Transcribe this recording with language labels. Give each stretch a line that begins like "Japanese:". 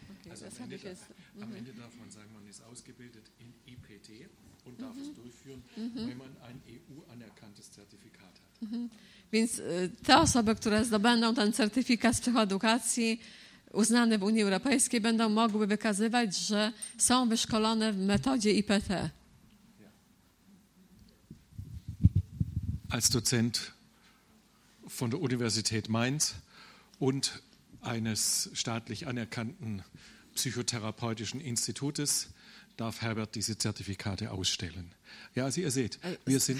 German: Also am Ende darf man sagen, man ist ausgebildet in IPT und darf es durchführen, wenn man ein EU-anerkanntes Zertifikat hat.
Polish: Więc te osoby, które zdobędą ten certyfikat z psychoedukacji uznany w Unii Europejskiej, będą mogły wykazywać, że są wyszkolone w metodzie IPT.
German: Als Dozent von der Universität Mainz und eines staatlich anerkannten psychotherapeutischen Institutes darf Herbert diese Zertifikate ausstellen. Ja, also ihr seht, wir sind